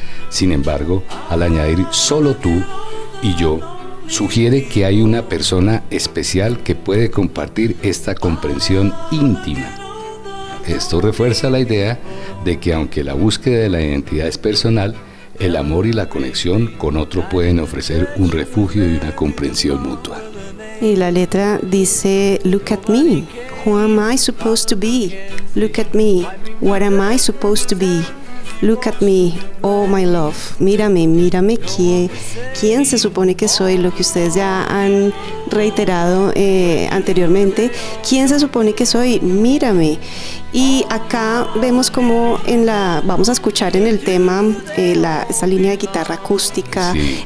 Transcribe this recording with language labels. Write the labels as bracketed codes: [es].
[es] Sin embargo, al añadir solo tú y yo, sugiere que hay una persona especial que puede compartir esta comprensión íntima. Esto refuerza la idea de que aunque la búsqueda de la identidad es personal, el amor y la conexión con otro pueden ofrecer un refugio y una comprensión mutua. Y la letra dice: [en] Look at me, who am I supposed to be? Look at me, what am I supposed to be? Look at me, oh my love, [es] mírame, mírame, ¿quién se supone que soy? Lo que ustedes ya han reiterado anteriormente, ¿quién se supone que soy? Mírame. Y acá vemos como en la, vamos a escuchar en el tema, esa línea de guitarra acústica, sí.